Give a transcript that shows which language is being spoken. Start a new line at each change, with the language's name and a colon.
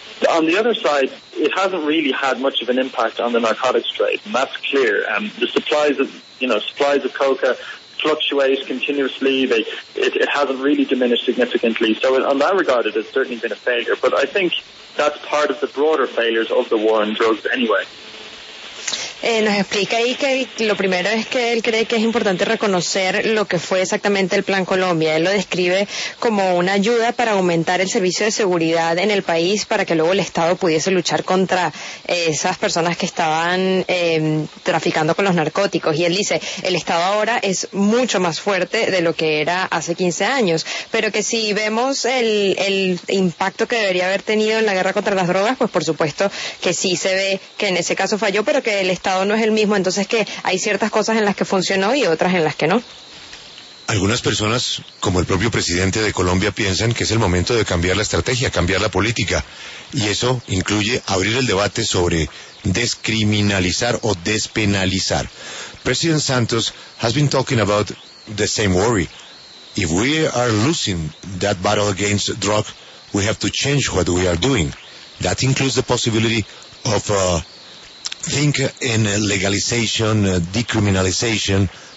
English: On the other side, it hasn't really had much of an impact on the narcotics trade, and that's clear. The supplies of coca fluctuate continuously. It hasn't really diminished significantly. So on that regard, it has certainly been a failure. But I think that's part of the broader failures of the war on drugs anyway.
Spanish: Nos explica ahí que lo primero es que él cree que es importante reconocer lo que fue exactamente el Plan Colombia. Él lo describe como una ayuda para aumentar el servicio de seguridad en el país para que luego el Estado pudiese luchar contra esas personas que estaban traficando con los narcóticos. Y él dice, el Estado ahora es mucho más fuerte de lo que era hace 15 años. Pero que si vemos el impacto que debería haber tenido en la guerra contra las drogas, pues por supuesto que sí se ve que en ese caso falló, pero que el Estado no es el mismo, entonces que hay ciertas cosas en las que funcionó y otras en las que no. Algunas personas, como el propio presidente de Colombia, piensan que es el momento de cambiar la estrategia, cambiar la política, y eso incluye abrir el debate sobre descriminalizar o despenalizar.
English: President Santos has been talking about the same worry. If we are losing that battle against drug, we have to change what we are doing. That includes the possibility of think in legalization, decriminalization.